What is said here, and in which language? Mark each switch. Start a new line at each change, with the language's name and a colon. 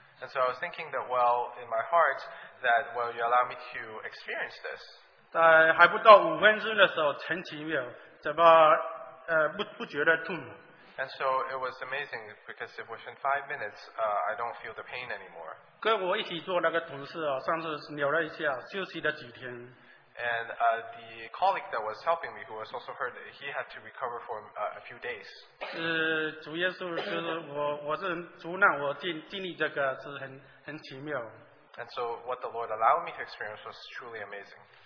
English: so I was thinking that, well, in my heart, that, well, you allow me to experience this.
Chinese: 还不到五分钟的时候，神奇妙，怎么不觉得痛？
English: And so it was amazing because within 5 minutes, I don't feel the pain anymore.
Chinese: 跟我一起做那个同事啊，上次扭了一下，休息了几天。
English: And the colleague that was helping me, who was also hurt, he had to recover for a few days.
Chinese: 主耶稣就是我是主让我经历这个是很奇妙。
English: And so what the Lord allowed me to experience was truly amazing.